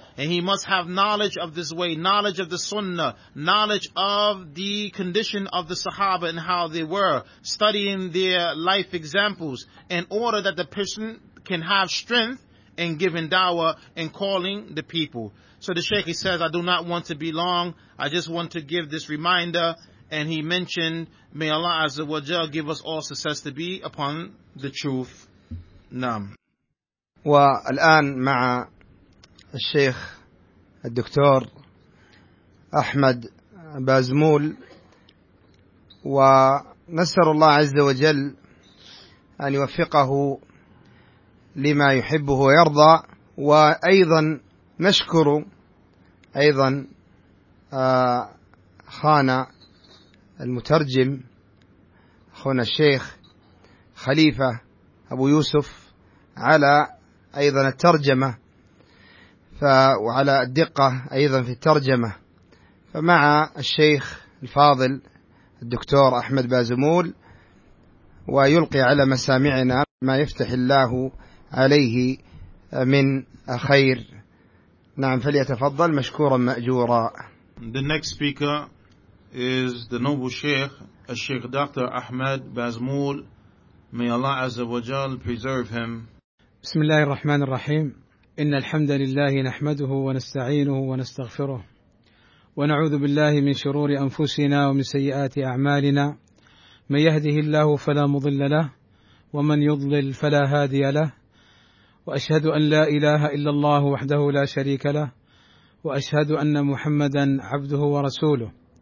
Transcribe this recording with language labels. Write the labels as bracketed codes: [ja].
[en] And he must have knowledge of this way, knowledge of the Sunnah, knowledge of the condition of the Sahaba and how they were, studying their life examples, in order that the person can have strength in giving dawah and calling the people. So the Shaykh, he says, I do not want to be long. I just want to give this reminder. And he mentioned, may Allah Azza wa Jal give us all success to be upon the truth. [ar] Naam. والآن مع الشيخ الدكتور أحمد بازمول ونسأل الله عز وجل أن يوفقه لما يحبه ويرضى وأيضا نشكر أيضا خانا المترجم أخونا الشيخ خليفة أبو يوسف على أيضا الترجمة وعلى الدقة أيضا في الترجمة. فمع الشيخ الفاضل الدكتور أحمد بازمول ويلقي على مسامعنا ما يفتح الله عليه من خير. نعم فليتفضل مشكورا مأجورا. [en] The next speaker is the noble Sheikh, الشيخ Dr. Ahmed Bazmoul. May Allah Azza wa Jal preserve him. [ar] بسم الله الرحمن الرحيم. إن الحمد لله نحمده ونستعينه ونستغفره ونعوذ بالله من شرور أنفسنا ومن سيئات أعمالنا، من يهده الله فلا مضل له ومن يضلل فلا هادي له، وأشهد أن لا إله إلا الله وحده لا شريك له، وأشهد أن محمدا عبده ورسوله.